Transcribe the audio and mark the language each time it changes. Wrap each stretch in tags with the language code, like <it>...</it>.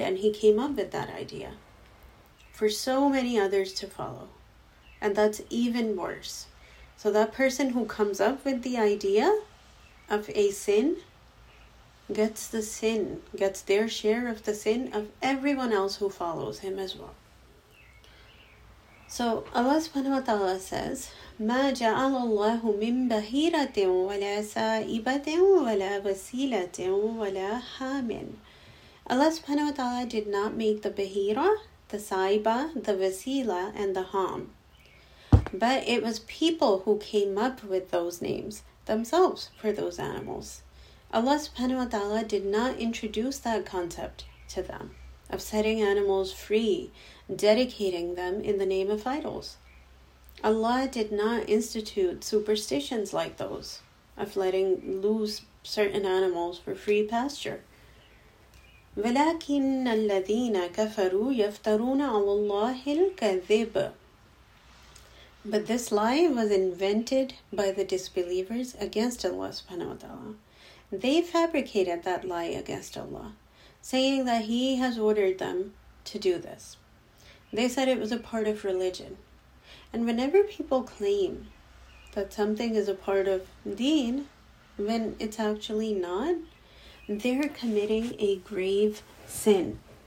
<en>And he came up with that idea for so many others to follow. And that's even worse. So that person who comes up with the idea of a sin gets the sin, gets their share of the sin of everyone else who follows him as well. So Allah subhanahu wa ta'ala says,</en> <ar>مَا جَعَلَ اللَّهُ مِن بَهِيرَةٍ وَلَا سَائِبَةٍ وَلَا وَسِيلَةٍ وَلَا حَامٍ.</ar> <en>Allah subhanahu wa ta'ala did not make the Bahira, the Saiba, the Wasila, and the Ham. But it was people who came up with those names themselves for those animals. Allah subhanahu wa ta'ala did not introduce that concept to them of setting animals free, dedicating them in the name of idols. Allah did not institute superstitions like those of letting loose certain animals for free pasture.</en> <ar>ولكن الذين كفروا يفترون على الله الكذب.</ar> <en>But this lie was invented by the disbelievers against Allah subhanahu wa ta'ala. They fabricated that lie against Allah, saying that He has ordered them to do this. They said it was a part of religion. And whenever people claim that something is a part of deen, when it's actually not, they're committing a grave sin.</en>